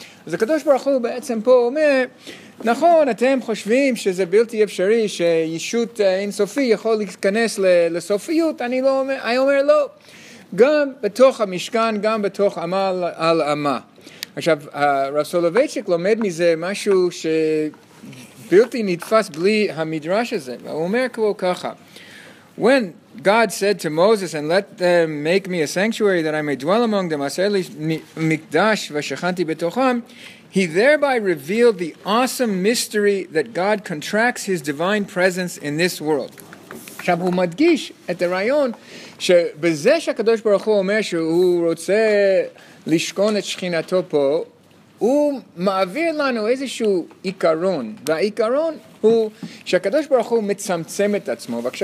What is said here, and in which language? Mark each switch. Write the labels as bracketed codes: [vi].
[he] אז הקדוש ברוך הוא בעצם פה אומר, נכון, אתם חושבים שזה בלתי אפשרי שישות אינסופי יכול להתכנס לסופיות, אני לא אומר, אני אומר לא. גם בתוך המשכן, גם בתוך אמה על אמה. עכשיו, הרב סולובייצ'יק לומד מזה משהו שבלתי נתפס בלי המדרש הזה. הוא אומר כמו ככה, [en] When God said to Moses, and let them make me a sanctuary that I may dwell among them, [he] עשה לי מקדש ושכנתי בתוכם, [en] He thereby revealed the awesome mystery that God contracts his divine presence in this world. [he] עכשיו הוא מדגיש את הרעיון שבזה שהקדוש ברוך הוא אומר שהוא רוצה לשכון את שכינתו פה, הוא מעביר לנו איזשהו עיקרון, והעיקרון הוא שהקדוש ברוך הוא מצמצם את עצמו.